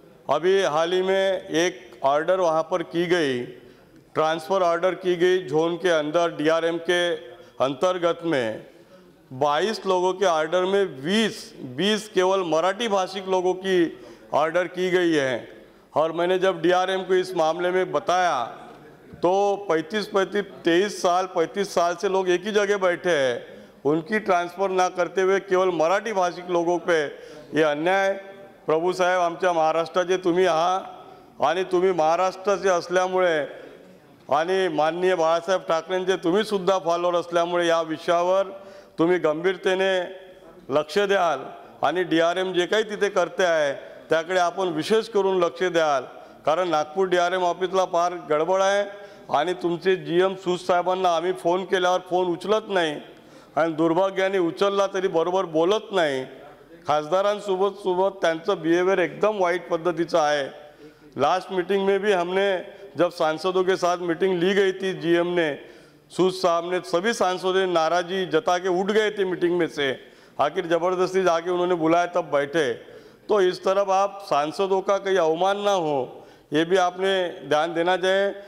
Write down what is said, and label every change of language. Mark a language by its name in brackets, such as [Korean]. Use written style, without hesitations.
[Hindi] अभी हाल ही में एक ऑर्डर वहाँ पर की गई, ट्रांसफ़र ऑर्डर की गई जोन के अंदर DRM के अंतर्गत में 22 लोगों के ऑर्डर में 20 केवल मराठी भाषिक लोगों की ऑर्डर की गई है। और मैंने जब DRM को इस मामले में बताया तो 35 साल से लोग एक ही जगह बैठे हैं, उनकी ट्रांसफ़र ना करते हुए केवल मराठी भाषिक लोगों पे ये अन्याय। [Marathi] प्रभु साहेब, आमच्या महाराष्ट्राचे तुम्ही आहा आणि तुम्ही महाराष्ट्राचे असल्यामुळे आणि माननीय बाळासाहेब ठाकरेंचे तुम्ही सुद्धा फॉलोअर असल्यामुळे या विषयावर तुम्ही गंभीरतेने लक्ष द्याल आणि DRM जे काही तिथे करते आहे त्याकडे आपण विशेष करून लक्ष द्याल, कारण नागपूर DRM ऑफिसला फार गडबड आहे आणि तुमचे GM सूद साहेबांना आम्ही फोन केल्यावर फोन उचलत नाही आणि दुर्भाग्याने उचलला तरी बरोबर बोलत नाही। खासदारांसोबत त्यांचं बिहेवियर एकदम वाईट पद्धतीचं आहे। [Hindi] लास्ट मीटिंग में भी हमने जब सांसदों के साथ मीटिंग ली गई थी GM ने सूद साहब ने, सभी सांसदों ने नाराजी जता के उठ गए थे मीटिंग में से, आखिर जबरदस्ती जाके उन्होंने बुलाया तब बैठे। तो इस तरफ आप सांसदों का कहीं अवमान ना हो ये भी आपने ध्यान देना चाहिए।